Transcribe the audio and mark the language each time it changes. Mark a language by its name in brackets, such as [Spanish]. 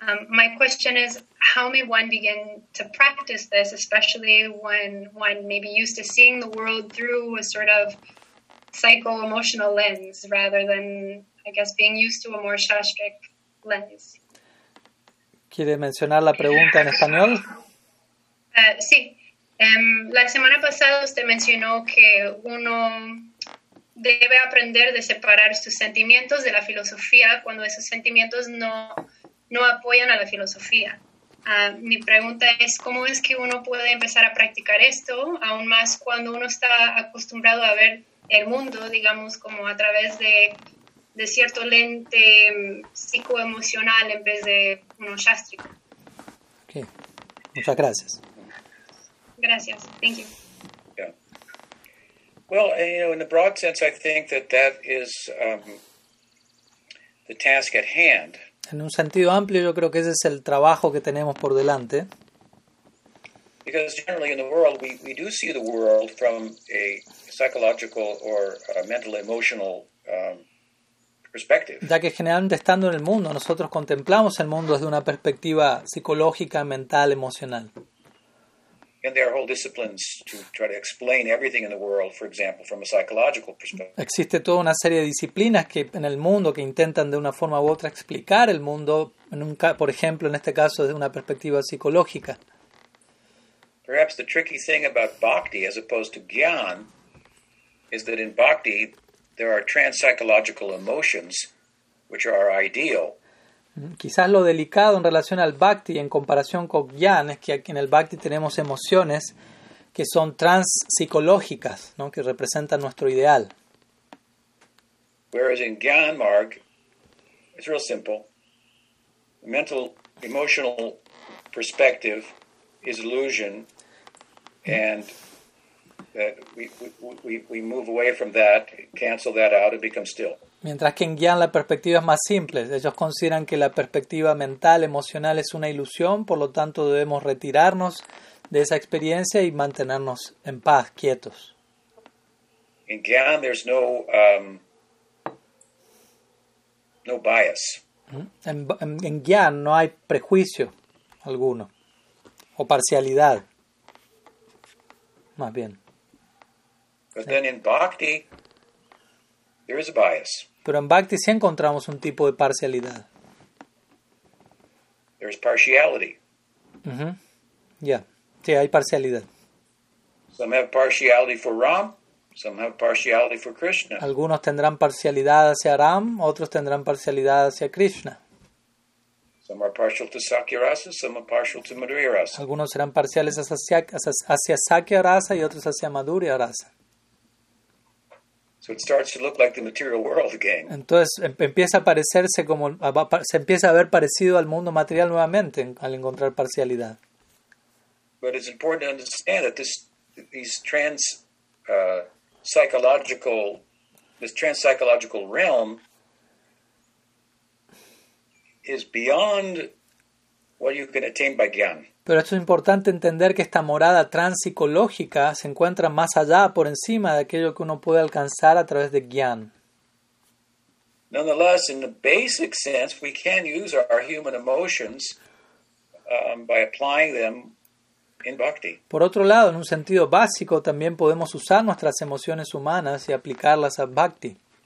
[English] My question is, how may one begin to practice this, especially when one may be used to seeing the world through a sort of psycho-emotional lens rather than, I guess, being used to a more shastric lens? [Spanish] ¿Quiere mencionar la pregunta en español? Sí. La semana pasada usted mencionó que uno debe aprender de separar sus sentimientos de la filosofía cuando esos sentimientos no apoyan a la filosofía. Mi pregunta es, ¿cómo es que uno puede empezar a practicar esto, aún más cuando uno está acostumbrado a ver el mundo, digamos, como a través de cierto lente psicoemocional en vez de uno shástrico? Ok, muchas gracias. Gracias. [English] Thank you. Yeah. Well, you know, in the broad sense, I think that is the task at hand. [Spanish] En un sentido amplio, yo creo que ese es el trabajo que tenemos por delante. [English] Because generally in the world, we do see the world from a psychological or a mental emotional perspective. [Spanish] Ya que generalmente estando en el mundo, nosotros contemplamos el mundo desde una perspectiva psicológica, mental, emocional. [English] And there are whole disciplines to try to explain everything in the world, for example, from a psychological perspective. [Spanish] Existe toda una serie de disciplinas que en el mundo que intentan de una forma u otra explicar el mundo, por ejemplo, en este caso, desde una perspectiva psicológica. [English] Perhaps the tricky thing about Bhakti, as opposed to Gyan, is that in Bhakti there are trans-psychological emotions, which are ideal. [Spanish] Quizás lo delicado en relación al Bhakti en comparación con Gyan es que aquí en el Bhakti tenemos emociones que son transpsicológicas, ¿no?, que representan nuestro ideal. [English] Whereas in Gyan Marg, it's real simple. The mental, emotional perspective is illusion, and that we move away from that, cancel that out, and become still. [Spanish] Mientras que en Gyan la perspectiva es más simple. Ellos consideran que la perspectiva mental, emocional, es una ilusión, por lo tanto debemos retirarnos de esa experiencia y mantenernos en paz, quietos. [English] In Gyan there's no, no bias. [Spanish] En Gyan no hay prejuicio alguno, o parcialidad, más bien. [English] But then in Bhakti, there is a bias. [Spanish] Pero en Bhakti sí encontramos un tipo de parcialidad. [English] There's partiality. [Spanish] Uh-huh. Yeah. Sí, hay parcialidad. [English] Some have partiality for Ram. Some have partiality for Krishna. [Spanish] Algunos tendrán parcialidad hacia Ram, otros tendrán parcialidad hacia Krishna. [English] Some are partial to Sakya Rasa, some are partial to Madhurya Rasa. [Spanish] Algunos serán parciales hacia Sakya Rasa y otros hacia Madhurya Rasa. [English] So it starts to look like the material world again. [Spanish] Entonces empieza a parecerse como se empieza a ver parecido al mundo material nuevamente al encontrar parcialidad. [English] But it's important to understand that this trans psychological realm is beyond what you can attain by gyan. [Spanish] Pero esto es importante entender que esta morada transpsicológica se encuentra más allá, por encima de aquello que uno puede alcanzar a través de gyan. [English] Nonetheless, in the basic sense, we can use our human emotions by applying them in bhakti. [Spanish] Por otro lado, en un sentido básico, también podemos usar nuestras emociones humanas y aplicarlas a bhakti.